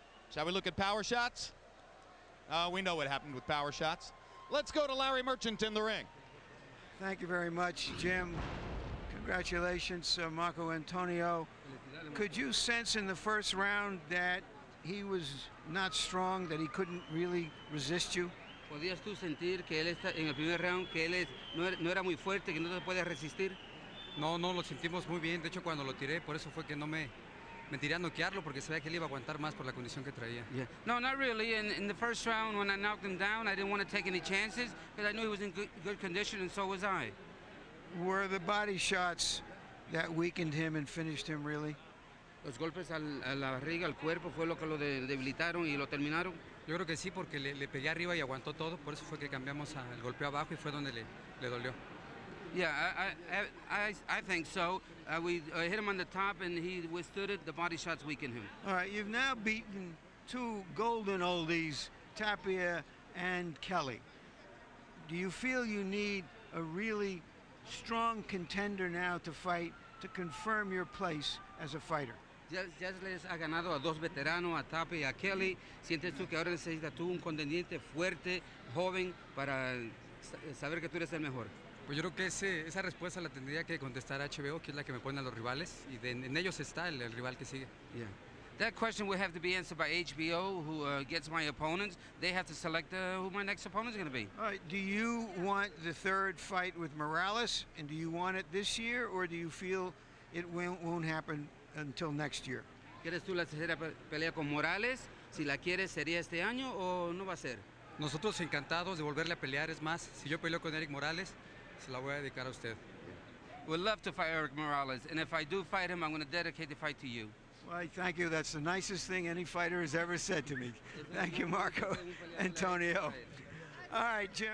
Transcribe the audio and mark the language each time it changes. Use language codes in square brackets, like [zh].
[en] Shall we look at power shots? We know what happened with power shots. Let's go to Larry Merchant in the ring. Thank you very much, Jim. Congratulations, Marco Antonio. Could you sense in the first round that he was not strong, that he couldn't really resist you? [es] ¿Podías tú sentir que él está en el primer round, que él no era muy fuerte, que no se puede resistir? No, lo sentimos muy bien. De hecho, cuando lo tiré, por eso fue que no me tiré a noquearlo, porque sabía que él iba a aguantar más por la condición que traía. [en] Yeah. No, not really. In the first round, when I knocked him down, I didn't want to take any chances, because I knew he was in good condition, and so was I. Were the body shots that weakened him and finished him, really? [es] Los golpes a la barriga, al cuerpo, fue lo que lo debilitaron y lo terminaron. Yo creo que sí, porque le pegué arriba y aguantó todo, por eso fue que cambiamos al golpeo abajo y fue donde le dolió. [en] Yeah, I think so. We hit him on the top, and he withstood it. The body shots weakened him. All right, you've now beaten two golden oldies, Tapia and Kelley. Do you feel you need a really strong contender now to fight to confirm your place as a fighter? [es] Ya les ha ganado a dos veteranos, a Tapia y a Kelley. ¿Sientes tú que ahora necesitas tú un contendiente fuerte, joven, para saber que tú eres el mejor? Pues yo creo que esa respuesta la tendría que contestar HBO, que es la que me pone a los rivales, y en ellos está el rival que sigue. [en] Yeah. That question will have to be answered by HBO, who gets my opponents. They have to select who my next opponent is going to be. All right. Do you want the third fight with Morales, and do you want it this year, or do you feel it won't happen until next year? [es] ¿Quieres tú la tercera pelea con Morales? Si la quieres, ¿sería este año o no va a ser? Nosotros encantados de volverle a pelear. Es más, si yo peleo con Eric Morales, se la voy a dedicar a usted. [en] We'd love to fight Eric Morales, and if I do fight him, I'm going to dedicate the fight to you. Well, thank you. That's the nicest thing any fighter has ever said to me. Thank you, Marco Antonio. All right, Jim.